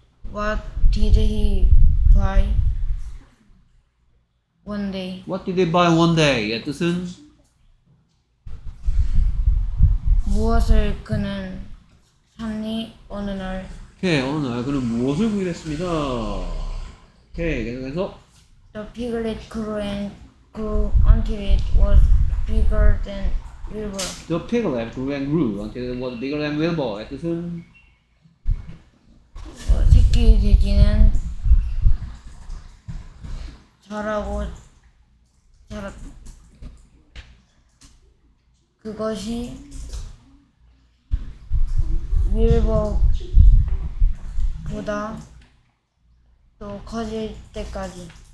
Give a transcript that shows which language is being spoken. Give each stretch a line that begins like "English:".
English: What did he buy one day? What did he buy one day?
Korean: 예, 뜻은 무엇을 그는 샀니 어느 날? 오케이, 어느 날 그는 무엇을 구입했습니다? 오케이, 계속해서
English: The piglet grew and grew until it was bigger than Wilbur. The piglet grew and grew until it was bigger than Wilbur.
Korean: 뜻은 새끼 돼지는 자라고 자랐다. 그것이 윌버보다 더 커질 때까지.